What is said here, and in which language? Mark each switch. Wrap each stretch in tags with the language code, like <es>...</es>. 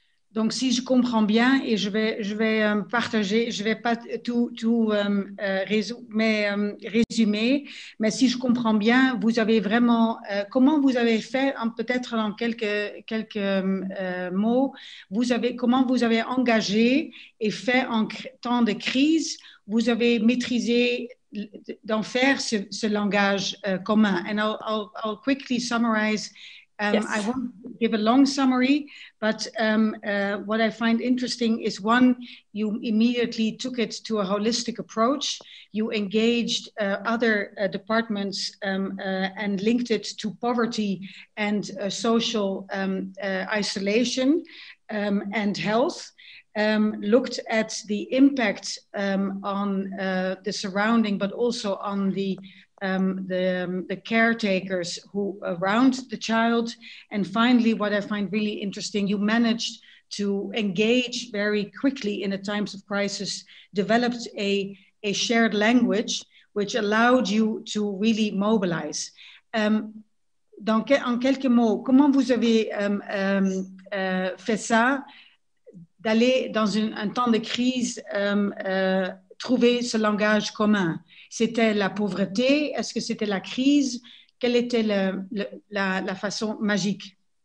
<fr>Donc, si je comprends bien, et je ne vais pas tout résumer, mais si je comprends bien, vous avez vraiment, comment vous avez fait, peut-être dans quelques mots, comment vous avez engagé et fait en temps de crise, vous avez maîtrisé d'en faire ce langage commun.</fr> <en>And I'll quickly summarize. Yes. I won't give a long summary, but what I find interesting is one, you immediately took it to a holistic approach. You engaged other departments and linked it to poverty and social isolation and health. Looked at the impact on the surrounding, but also on the caretakers who around the child. And finally, what I find really interesting, you managed to engage very quickly in the times of crisis, developed a shared language, which allowed you to really mobilize.</en> <fr>En quelques mots, comment vous avez fait ça, d'aller dans un temps de crise, trouver ce langage commun? C'était la pauvreté? Est-ce que c'était la crise? Quelle était la façon magique?</fr>